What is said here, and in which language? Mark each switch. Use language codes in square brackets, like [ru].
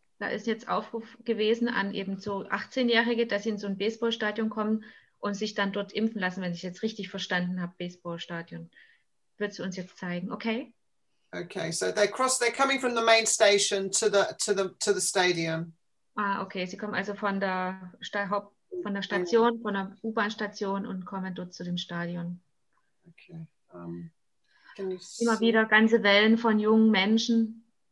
[de] Da ist jetzt Aufruf gewesen an eben so 18-Jährige, dass sie in so ein Baseballstadion kommen und sich dann dort impfen lassen, wenn ich jetzt richtig verstanden habe, Baseballstadion. Wird sie uns jetzt zeigen, okay? [en] Okay, so they cross, they're coming from the main station to the stadium. [de] Ah, okay, sie kommen also von der Station, von der U-Bahn-Station und kommen dort zu dem Stadion. Okay. Immer wieder ganze Wellen von jungen Menschen.